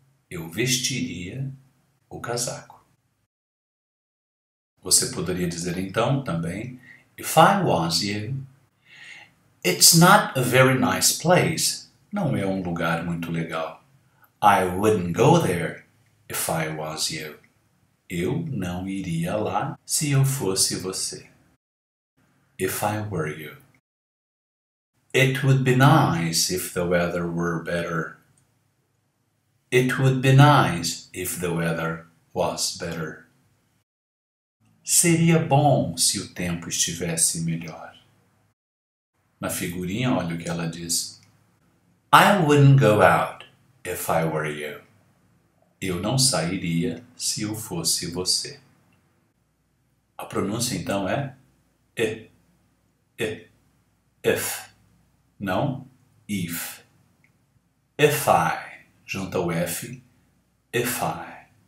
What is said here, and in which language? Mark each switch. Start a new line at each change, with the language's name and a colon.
Portuguese: Eu vestiria o casaco. Você poderia dizer então também,
English: if I was you. It's not a very nice place.
Portuguese: Não é um lugar muito legal.
English: I wouldn't go there if I was you.
Portuguese: Eu não iria lá se eu fosse você.
English: if I were you. It would be nice if the weather were better. It would be nice if the weather was better.
Portuguese: Seria bom se o tempo estivesse melhor. Na figurinha, olha o que ela diz.
English: I wouldn't go out if I were you.
Portuguese: Eu não sairia se eu fosse você. A pronúncia então é e, e, if, não if.
English: If I,
Portuguese: junta o F,
English: if I.